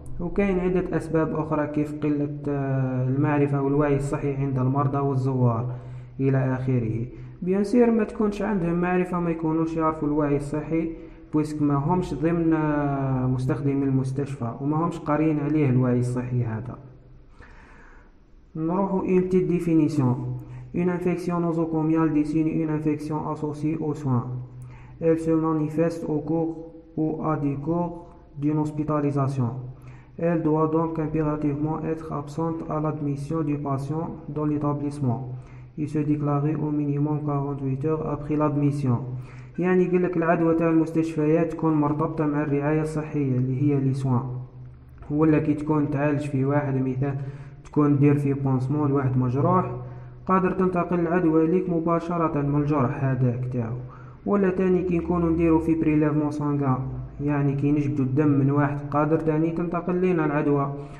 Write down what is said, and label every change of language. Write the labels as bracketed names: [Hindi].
[Arabic] وكاين عدة أسباب أخرى كيف قلة المعرفة والوعي الصحي عند المرضى والزوار إلى آخره. بينصير ما تكونش عندهم معرفة، ما يكونوش يعرفوا الوعي الصحي، بويسك ما همش ضمن مستخدم المستشفى وما همش قارين عليه الوعي الصحي هذا. نروح إلى الديفينيسيون. [French] une infection nosocomiale désigne une infection associée aux soins. elle se manifeste au cours ou à des cours d'une hospitalisation. elle doit donc impérativement être absente à l'admission du patient dans l'établissement et se déclarer au minimum 48 heures après l'admission. [Arabic] يعني يقول لك العدوى تاع المستشفيات تكون مرتبطة مع الرعاية الصحية اللي هي لي سوان. ولا كي تكون تعالج في واحد، مثال تكون دير في بونسمون لواحد مجروح، قادر تنتقل العدوى ليك مباشرة من الجرح هذاك تاعو. ولا تاني كي نكونو نديرو في [French] بريليفمون سانغان، [Arabic] يعني كي نجبدو الدم من واحد، قادر تاني تنتقل لينا العدوى.